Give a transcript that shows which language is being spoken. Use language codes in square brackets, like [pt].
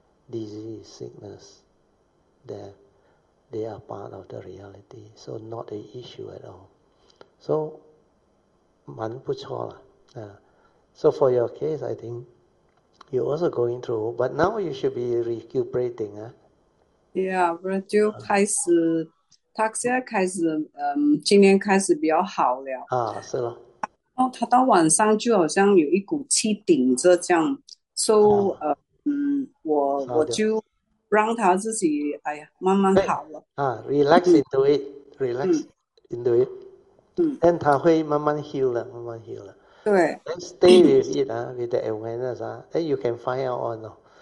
[en] Disease, sickness, death, they are part of the reality, so not an issue at all. [zh] So, 蛮不错啦. [en] So for your case, I think you're also going through, but now you should be recuperating, [zh] Yeah, 不然就开始，他现在开始，今年开始比较好了。啊，是咯。然后他到晚上就好像有一股气顶着这样，所以我就让他自己，哎呀，慢慢好了。啊，relax [en] into it，relax into it，and [zh] 他会慢慢heal了，慢慢heal了。对, [en] and stay with it, with the awareness, then you can find out on.